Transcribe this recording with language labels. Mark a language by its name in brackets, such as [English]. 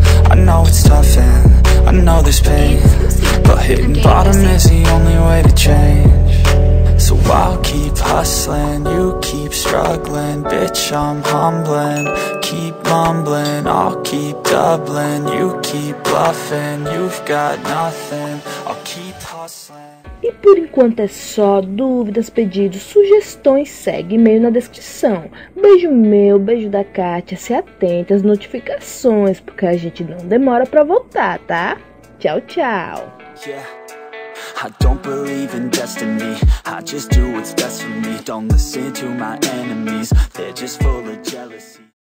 [English] I know it's tough and I know there's pain, but hitting bottom is the only way to change. So I'll keep hustling, you keep struggling. Bitch, I'm humbling, keep mumbling. I'll keep doubling, you keep bluffing. You've got nothing, I'll keep hustling. [Portuguese] E por enquanto é só. Dúvidas, pedidos, sugestões, segue e-mail na descrição. Beijo meu, beijo da Kátia, se atenta às notificações, porque a gente não demora pra voltar, tá? Tchau, tchau. [English] Yeah. I don't believe in destiny, I just do what's best for me. Don't listen to my enemies, they're just full of jealousy.